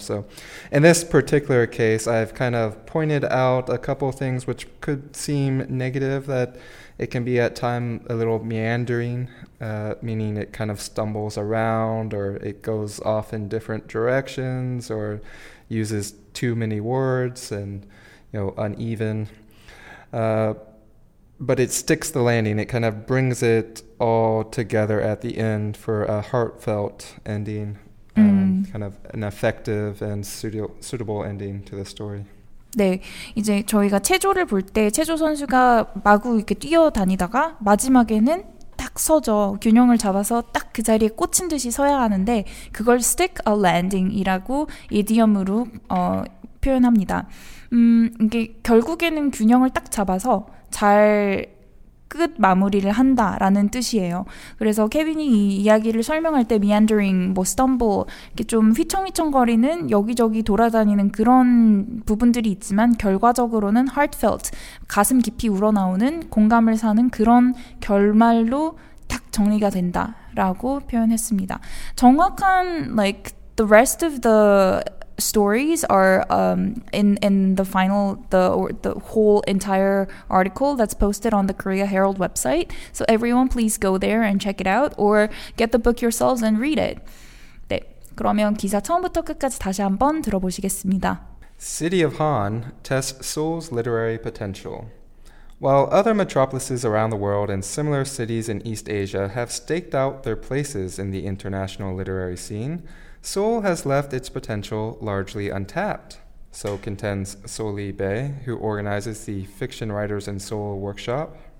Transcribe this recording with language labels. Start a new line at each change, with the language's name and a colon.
English: So in this particular case, I've kind of pointed out a couple of things which could seem negative, that it can be at time a little meandering, meaning it kind of stumbles around or it goes off in different directions or uses too many words and, you know, uneven. But it sticks the landing. It kind of brings it all together at the end for a heartfelt ending, kind of an effective and suitable ending to the story.
Korean: 네, 이제 저희가 체조를 볼 때 체조 선수가 마구 이렇게 뛰어다니다가 마지막에는 딱 서죠. 균형을 잡아서 딱 그 자리에 꽂힌 듯이 서야 하는데 그걸
English: stick a landing
Korean: 이라고 이디엄으로 표현합니다. 이게 결국에는 균형을 딱 잡아서 잘 끝 마무리를 한다라는 뜻이에요. 그래서 케빈이 이 이야기를 설명할 때 meandering, 뭐 stumble, 이렇게 좀 휘청휘청거리는 여기저기 돌아다니는 그런 부분들이 있지만 결과적으로는 heartfelt, 가슴 깊이 우러나오는 공감을 사는 그런 결말로 딱 정리가 된다라고 표현했습니다. 정확한
English: like the rest of the stories are in the final, the whole entire article that's posted on the Korea Herald website. So everyone please go there and check it out or get the book yourselves and read it.
Korean: 네, 그러면 기사 처음부터 끝까지 다시 한번 들어보시겠습니다.
English: City of Han tests Seoul's literary potential. While other metropolises around the world and similar cities in East Asia have staked out their places in the international literary scene, Seoul has left its potential largely untapped. So contends Soli Bae, who organizes the Fiction Writers in Seoul workshop.